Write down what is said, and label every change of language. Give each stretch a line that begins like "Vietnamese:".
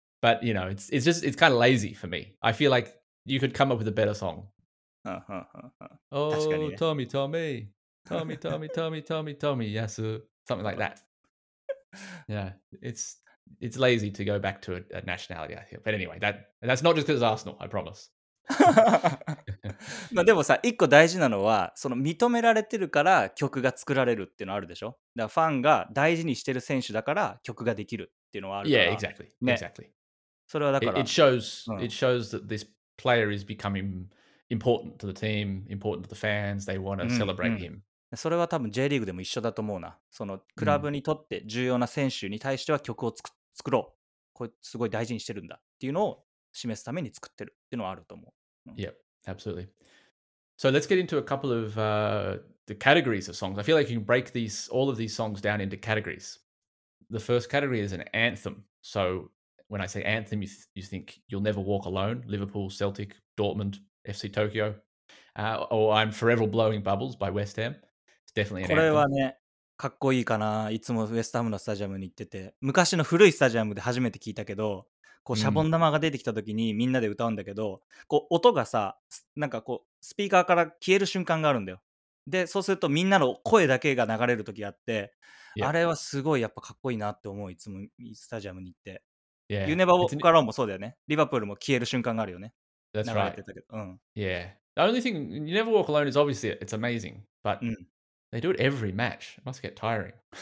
English: But, you know, it's kind of lazy for me. I feel like you could come up with a better song. Oh, Tommy, Tommy. Tommy, Tommy, Tommy, Tommy, Tommy, Yasu. Something like that. Yeah, it's lazy to go back to a nationality, I feel. But anyway, that's not just because it's Arsenal, I promise.
Japanese: まあでもさ、一個大事なのはその認められてるから曲が作られるっていうのあるでしょ。だからファンが大事にしてる選手だから曲ができるっていうのはあるから。
English: Yeah, exactly.、
Japanese: ね、
English: exactly.
Japanese: それはだから。
English: It shows that this player is becoming important to the team, important to the fans. They want to celebrate him.、
Japanese: うん、それは多分 J リーグでも一緒だと思うな。そのクラブにとって重要な選手に対しては曲を作ろう。これすごい大事にしてるんだっていうのを。示すために作ってるっていうのはあると思う。
English: Yep, absolutely. So let's get into a couple of、the categories of songs. I feel like you can break all of these songs down into categories. The first category is an anthem. So when I say anthem, you think You'll Never Walk Alone, Liverpool, Celtic, Dortmund, FC Tokyo,、or I'm Forever Blowing Bubbles by West Ham. It's definitely an
Japanese: これは、ね、
English: anthem.
Japanese: かっこいいかな。いつもウェストハムのスタジアムに行ってて、昔の古いスタジアムで初めて聞いたけど、こうシャボン玉が出てきた時にみんなで歌うんだけど、こう音がさ、なんかこうスピーカーから消える瞬間があるんだよ。で、そうするとみんなの声だけが流れる時があって、yeah. あれはすごいやっぱかっこいいなって思う。いつもスタジアムに行って、
English: yeah.
Japanese: You Never Walk Alone もそうだよね。リバプールも消える瞬間があるよね。
English: That's right.
Japanese: 流れてたけど、うん。
English: Yeah. The only thing You Never Walk Alone is obviously it's amazing, but、うん。 They do it every match. It must get tiring.